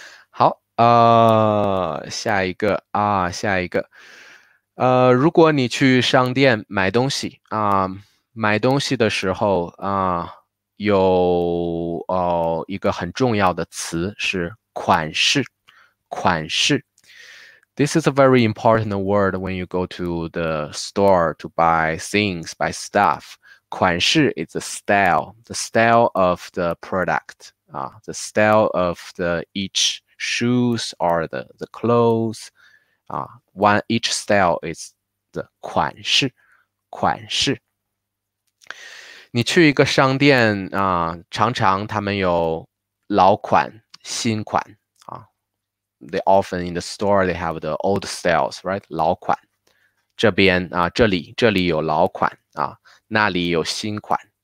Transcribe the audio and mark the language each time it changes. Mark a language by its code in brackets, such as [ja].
[zh] 好，下一个啊，下一个，如果你去商店买东西啊。买东西的时候有一个很重要的词是款式。 [en] This is a very important word when you go to the store to buy things, buy stuff. 款式 is the style of the product, the style of the each shoes or the clothes. One each style is the 款式。 [zh] 你去一个商店常常他们有老款、新款啊。 [en] They often in the store they have the old styles, right? [zh] 老款，这边啊，这里有老款啊，那里有新款。